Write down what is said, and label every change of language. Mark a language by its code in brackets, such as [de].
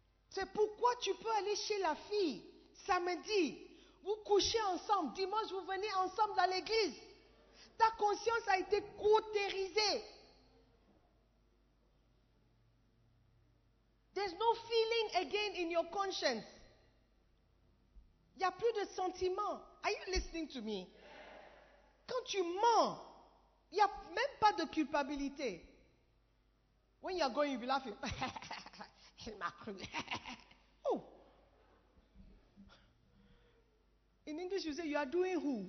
[fr] C'est pourquoi tu peux aller chez la fille, samedi, vous couchez ensemble, dimanche vous venez ensemble dans l'église. Ta conscience a été cautérisée. [en] There's no feeling again in your conscience. [fr] Il n'y a plus de sentiment. [en] Are you listening to me? [fr] Quand tu mens, il n'y a même pas de culpabilité. [en] When you're going, you'll be laughing. [fr] Il m'a cru. [en] Oh. In English, you say, you are doing who?